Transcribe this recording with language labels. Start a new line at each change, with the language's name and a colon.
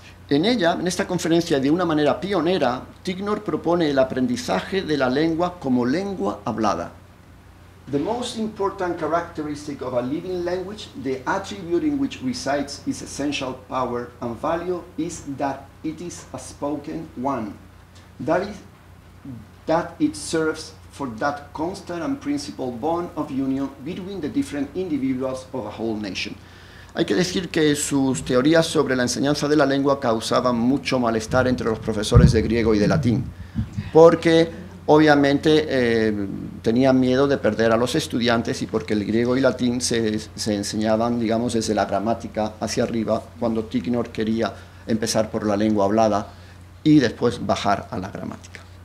Spanish: En ella, en esta conferencia, de una manera pionera, Ticknor propone el aprendizaje de la lengua como lengua hablada.
English: The most important characteristic of a living language, the attribute in which resides its essential power and value, is that it is a spoken one. That is, that it serves for that constant and principled bond of union between the different individuals of a whole nation.
Spanish: Hay que decir que sus teorías sobre la enseñanza de la lengua causaban mucho malestar entre los profesores de griego y de latín, porque obviamente tenían miedo de perder a los estudiantes y porque el griego y latín se enseñaban, digamos, desde la gramática hacia arriba, cuando Ticknor quería empezar por la lengua hablada y después bajar a la gramática.